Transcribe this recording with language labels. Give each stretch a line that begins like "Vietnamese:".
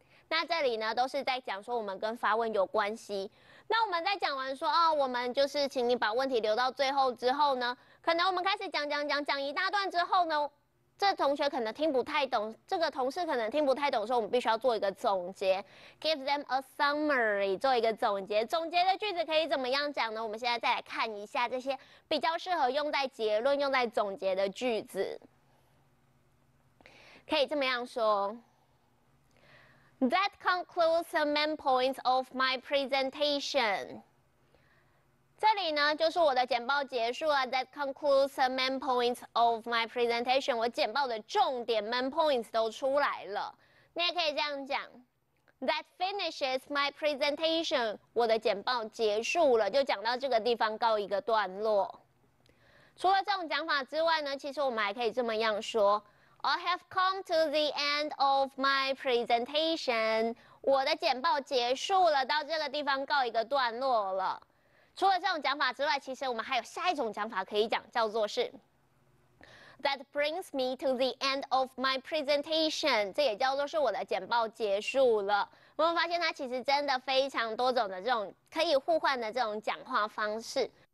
Chinese: 那这里呢，都是在讲说我们跟发问有关系。那我们在讲完说哦，我们就是请你把问题留到最后之后呢，可能我们开始讲一大段之后呢，这同学可能听不太懂，这个同事可能听不太懂，所以我们必须要做一个总结 ，
English: give them a summary，
Chinese: 做一个总结。总结的句子可以怎么样讲呢？我们现在再来看一下这些比较适合用在结论、用在总结的句子，可以这么样说。
English: That concludes the main points of my presentation.
Chinese: 这里呢，就是我的简报结束了。
English: That concludes the main points of my presentation.
Chinese: 我简报的重点 main points 都出来了。你也可以这样讲。
English: That finishes my presentation.
Chinese: 我的简报结束了，就讲到这个地方告一个段落。除了这种讲法之外呢，其实我们还可以这么样说。
English: I have come to the end of my presentation.
Chinese: 我的简报结束了，到这个地方告一个段落了。除了这种讲法之外，其实我们还有下一种讲法可以讲，叫做是
English: That brings me to the end of my presentation.
Chinese: 这也叫做是我的简报结束了。我们发现它其实真的非常多种的这种可以互换的这种讲话方式。